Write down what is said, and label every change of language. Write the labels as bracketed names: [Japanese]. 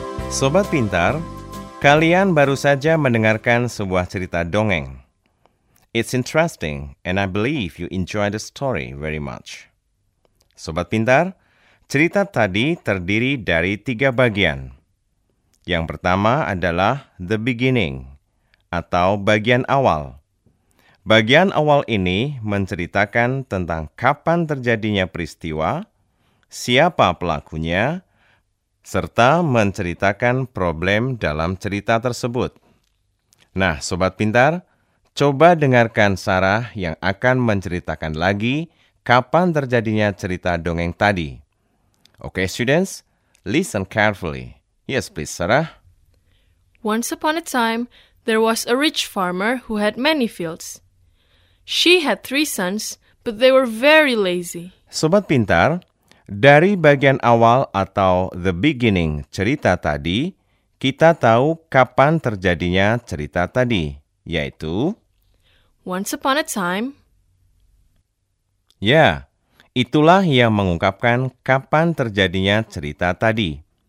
[Indonesian] Sobat Pintar, kalian baru saja mendengarkan sebuah cerita dongeng. [English] It's interesting, and I believe you enjoy the story very much. [Indonesian] Sobat Pintar, cerita tadi terdiri dari 3 bagian. Yang pertama adalah [English] the beginning, [Indonesian] atau bagian awal. Bagian awal ini menceritakan tentang kapan terjadinya peristiwa, siapa pelakunya, serta menceritakan problem dalam cerita tersebut. Nah, Sobat Pintar, Coba dengarkan Sarah yang akan menceritakan lagi kapan terjadinya cerita dongeng tadi. [English] Okay, students, listen carefully. Yes, please, Sarah. Once upon a time, there was a rich farmer who had many fields. She had 3 sons, but they were very lazy. [Indonesian] Sobat pintar, dari bagian awal atau [English] the beginning [Indonesian] cerita tadi, kita tahu kapan terjadinya cerita tadi, yaitu... [English] Once upon a time. [Indonesian] Ya, itulah yang mengungkapkan kapan terjadinya cerita tadi.